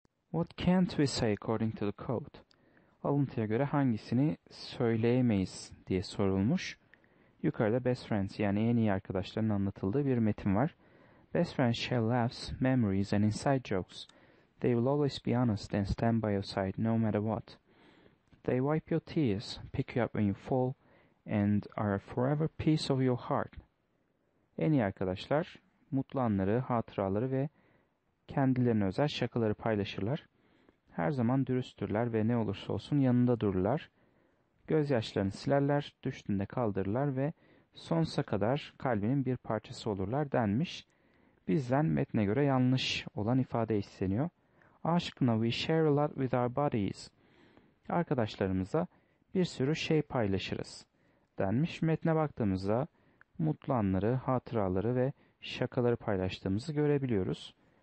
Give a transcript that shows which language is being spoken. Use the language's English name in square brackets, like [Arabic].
[English] What can't we say according to the code? [Turkish] Alıntıya göre hangisini söyleyemeyiz diye sorulmuş. Yukarıda best friends yani en iyi arkadaşların anlatıldığı bir metin var. [English] Best friends share laughs, memories and inside jokes. They will always be honest and stand by your side no matter what. They wipe your tears, pick you up when you fall and are forever piece of your heart. [Turkish] En iyi arkadaşlar mutlu anları, hatıraları ve kendilerine özel şakaları paylaşırlar. Her zaman dürüsttürler ve ne olursa olsun yanında dururlar. Gözyaşlarını silerler, düştüğünde kaldırırlar ve sonsuza kadar kalbinin bir parçası olurlar denmiş. Bizden metne göre yanlış olan ifade isteniyor. Aşkına [English] we share a lot with our bodies. [Turkish] Arkadaşlarımıza bir sürü şey paylaşırız denmiş. Metne baktığımızda mutlu anları, hatıraları ve şakaları paylaştığımızı görebiliyoruz.